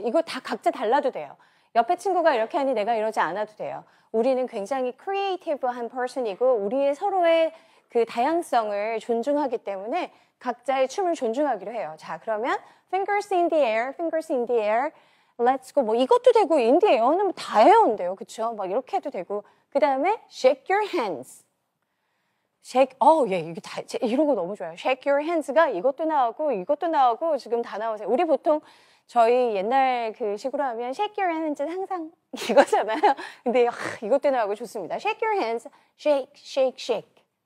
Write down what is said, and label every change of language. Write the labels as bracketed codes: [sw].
[ko] 이거 다 각자 달라도 돼요. 옆에 친구가 이렇게 하니 내가 이러지 않아도 돼요. 우리는 굉장히 크리에이티브한 퍼슨이고 우리의 서로의 그 다양성을 존중하기 때문에 각자의 춤을 존중하기로 해요. 자, 그러면 [en] fingers in the air, fingers in the air, let's go. [ko] 뭐 이것도 되고 in the air는 다 해온대요. 그쵸? 막 이렇게 해도 되고. 그 다음에 [en] shake your hands. [ko] Shake, 이런 거 너무 좋아요. Shake your hands가 이것도 나오고 이것도 나오고 지금 다 나오세요. 우리 보통 저희 옛날 그 식으로 하면 shake your hands는 항상 이거잖아요. 근데 이것도 나오고 좋습니다. [en] Shake your hands, shake, shake, shake.